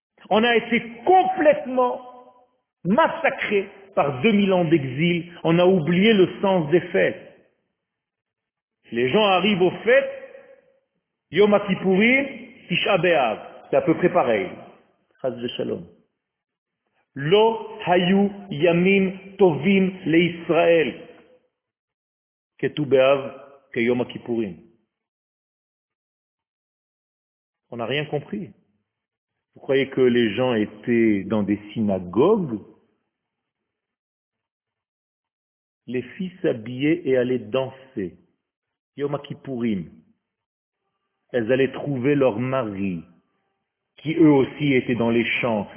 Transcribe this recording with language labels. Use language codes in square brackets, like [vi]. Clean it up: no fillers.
[fr] On a été complètement massacrés. Par 2000 ans d'exil, on a oublié le sens des fêtes. Les gens arrivent aux fêtes, Yom HaKippourim, Tisha B'Av, c'est à peu près pareil. Chas v'Shalom. [he] לא היו ימים טובים לישראל כט"ו באב, כיום הכיפורים. [fr] On n'a rien compris. Vous croyez que les gens étaient dans des synagogues? Les filles s'habillaient et allaient danser. Yom HaKippurim. Elles allaient trouver leur mari, qui eux aussi étaient dans les champs.